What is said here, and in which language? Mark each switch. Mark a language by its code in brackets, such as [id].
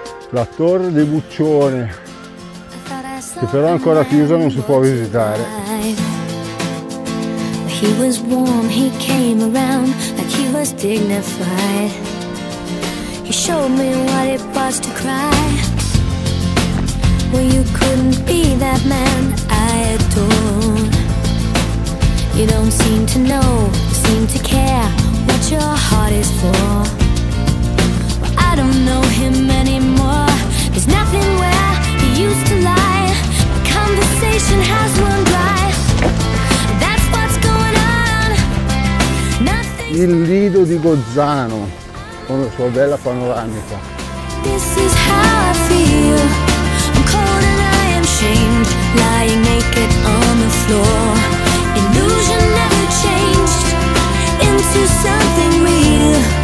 [it] La Torre di Buccione, che però è ancora chiusa, non si può visitare. [en] He was warm, he came around like he was dignified. He showed me what it was to cry. Well, you couldn't be that man I adore. You don't seem to know, seem to care what your heart is for. Well, I don't know him anymore. There's nothing where he used to lie. The conversation has run dry. That's what's going on. Nothing. [it] Il Lido di Gozzano con la sua bella panoramica. [en] This is how I feel. I'm cold and I am shamed. Lying naked on the floor. Illusion never changed into something real.